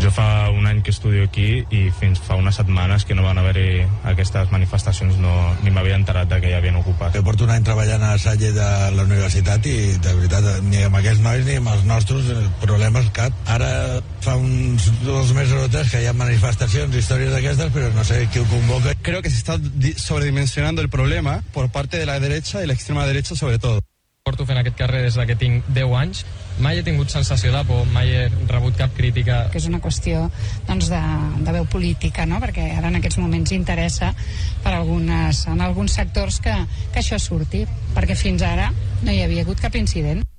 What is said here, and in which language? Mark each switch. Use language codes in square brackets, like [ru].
[ca] Jo fa un any que estudio aquí i fins fa unes setmanes que no van haver-hi aquestes manifestacions, no, ni m'havia enterat que hi havien ocupat. Jo porto un any treballant a la Salle de la universitat i, de veritat, ni amb aquests nois ni amb els nostres problemes cap. Ara fa uns dos mesos o tres que hi ha manifestacions, històries d'aquestes, però no sé qui ho convoca. [es] Creo que se está sobredimensionando el problema por parte de la derecha [ca] i l'extrema dreta, sobretot. Porto fent aquest carrer des que tinc 10 anys. Mai he tingut sensació de por, mai he rebut cap crítica. Que és una qüestió, doncs, de veu política, no? Perquè ara en aquests moments interessa per en alguns sectors que això surti, perquè fins ara no hi havia hagut cap incident.